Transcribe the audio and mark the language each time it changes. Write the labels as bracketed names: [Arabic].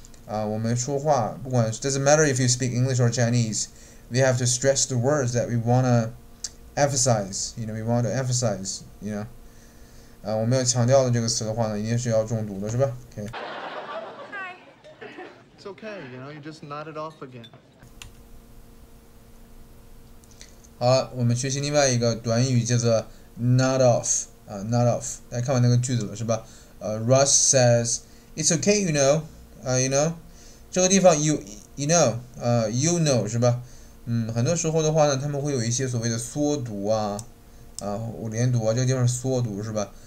[Chinese] 我们说话不管 [English] doesn't matter if you speak English or Chinese，we have to stress the words that we wanna emphasize，you know，we want to emphasize，you know。 [Chinese] 我们要强调的这个词的话呢，一定是要重读的，是吧？OK。 [English] It's okay, you know, you just nodded off again. [Chinese] 好了，我们学习另外一个短语，叫做 "nod off" 啊，"nod off"。大家看完那个句子了，是吧？ [English] Russ says, "It's okay, you know, you know." [Chinese] 这个地方 you know 是吧？很多时候的话呢，他们会有一些所谓的缩读啊，我连读啊，这个地方是缩读，是吧？